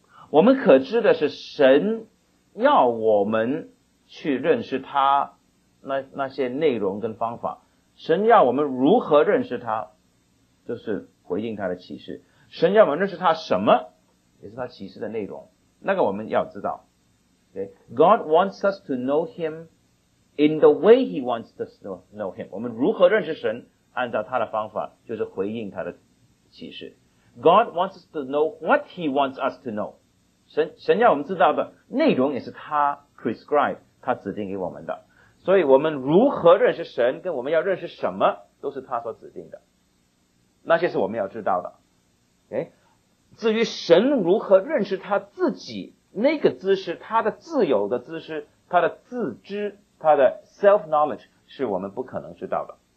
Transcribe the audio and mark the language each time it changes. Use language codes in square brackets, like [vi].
[zh] 我们可知的是神要我们去认识他那些内容跟方法，神要我们如何认识他，就是回应他的启示。神要我们认识他什么，也是他启示的内容，那个我们要知道。 [en] Okay? God wants us to know him in the way he wants us to know him. [zh] 我们如何认识神，按照他的方法，就是回应他的启示。 [en] God wants us to know what he wants us to know. [zh] 神要我们知道的内容也是他 prescribe, 他指定给我们的。所以我们如何认识神跟我们要认识什么都是他所指定的，那些是我们要知道的、okay? 至于神如何认识他自己，那个知识，他的自有的知识，他的自知，他的 self knowledge 是我们不可能知道的。